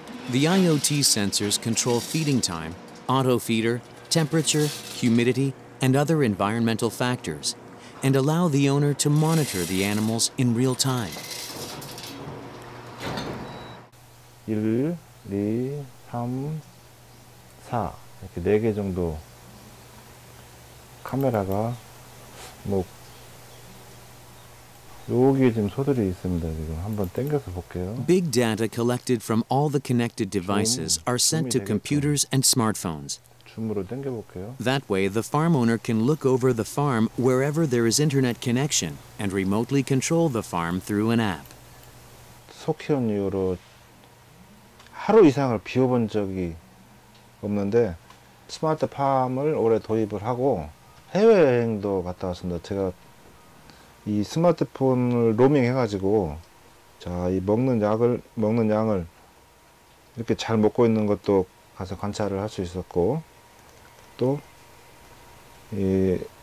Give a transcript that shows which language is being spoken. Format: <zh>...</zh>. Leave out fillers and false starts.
<en>The IoT sensors control feeding time, auto feeder, temperature, humidity, and other environmental factors, and allow the owner to monitor the animals in real time.</en> <ko>1, 2, 3, 4 이렇게 네 개 정도 카메라가 뭐 여기 지금 소들이 있습니다. 지금 한번 당겨서 볼게요.</ko> <en>Big data collected from all the connected devices are sent to computers and smartphones.</en> <ko>줌으로 당겨 볼게요.</ko> <en>That way the farm owner can look over the farm wherever there is internet connection and remotely control the farm through an app.</en> <ko>소 키운 이후로 하루 이상을 비워본 적이 없는데 스마트 팜을 올해 도입을 하고 해외여행도 갔다 왔습니다. 제가 이 스마트폰을 로밍 해가지고 자, 이 먹는 양을 이렇게 잘 먹고 있는 것도 가서 관찰을 할 수 있었고 또 이</ko>